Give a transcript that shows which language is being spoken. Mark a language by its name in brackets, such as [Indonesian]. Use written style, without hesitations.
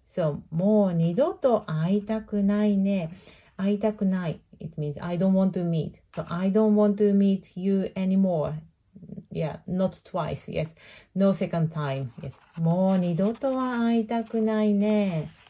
[Japanese] So, もう二度と会いたくないね。会いたくない。 [English] It means I don't want to meet. So, I don't want to meet you anymore. Yeah, not twice. Yes. No second time. Yes. [Japanese] もう二度とは会いたくないね。